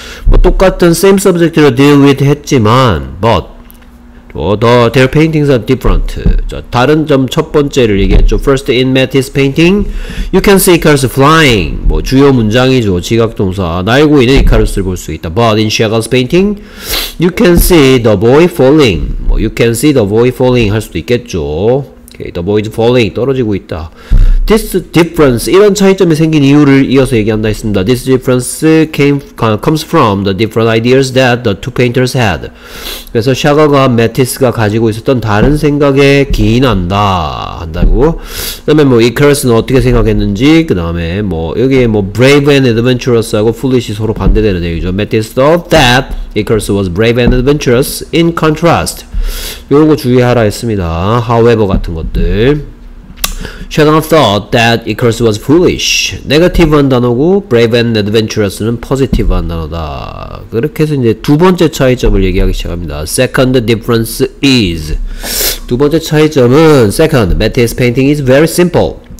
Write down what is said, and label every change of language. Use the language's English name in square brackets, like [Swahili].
[Korean] 뭐 똑같은 [English] same subject를 deal with 했지만 but their paintings are different. [Korean] 자, 다른 점 첫 번째를 얘기했죠. [English] First in Matisse painting, you can see Icarus flying. [Korean] 뭐 주요 문장이죠. 지각동사. 날고 있는 이카루스를 볼 수 있다. [English] But in Chagall's painting, you can see the boy falling. 뭐 you can see the boy falling [Korean] 할 수도 있겠죠. [English] Okay, the boy is falling. [Korean] 떨어지고 있다. This difference, 이런 차이점이 생긴 이유를 이어서 얘기한다 했습니다. [English] This difference comes from the different ideas that the two painters had. [Korean] 그래서 샤가가 매티스가 가지고 있었던 다른 생각에 기인한다 한다고. 그 다음에 뭐 이카루스는 어떻게 생각했는지, 그 다음에 뭐 여기에 뭐 brave and adventurous 하고 foolish이 서로 반대되는 내용이죠. [English] Matisse thought that Icarus was brave and adventurous in contrast. [Korean] 이런 거 주의하라 했습니다. [English] However [Korean] 같은 것들. [English] Chagall thought that Icarus was foolish. [Korean] 네거티브한 단어고 brave and adventurous는 positive한 단어다. 그렇게 해서 이제 두 번째 차이점을 얘기하기 시작합니다. [English] Second difference is [Korean] 두 번째 차이점은 [English] second Matisse painting is very simple.